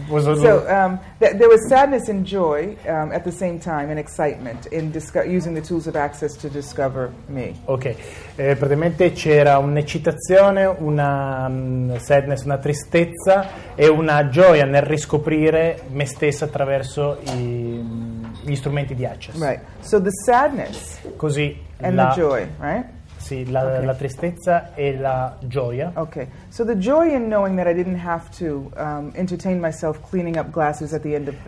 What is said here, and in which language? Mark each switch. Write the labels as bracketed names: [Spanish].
[English] There was sadness and joy at the same time, and excitement in using the tools of access to discover me. [Italian] Ok, praticamente c'era un'eccitazione, una sadness, una tristezza e una gioia nel riscoprire me stessa attraverso gli strumenti di access. [English] Right. So the sadness. [Italian] Così. [English] And [Italian] la, [English] the joy, right? [Italian] Sì, la tristezza e la gioia. [English] Okay. So the joy in knowing that I didn't have to entertain myself cleaning up glasses at the end of